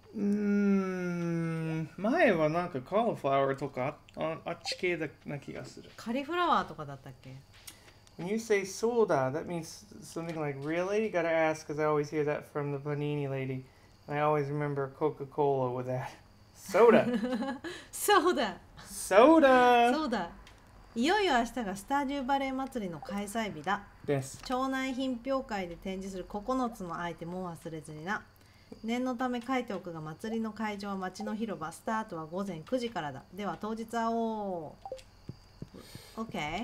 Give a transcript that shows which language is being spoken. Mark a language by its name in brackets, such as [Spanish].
[Japanese] うーん、前はなんかカリフラワーとかあっち系な気がする。カリフラワーとかだったっけ? [English] When you say soda, that means something like really? You gotta ask, because I always hear that from the panini lady. And I always remember Coca-Cola with that. Soda. Soda. Soda. Soda. [Japanese] いよいよ明日がスタジオバレー祭りの開催日だ。です。町内品評会で展示する9つのアイテムを忘れずにな。念のため書いておくが祭りの会場は町の広場。スタートは午前9時からだ。では当日会おう。OK。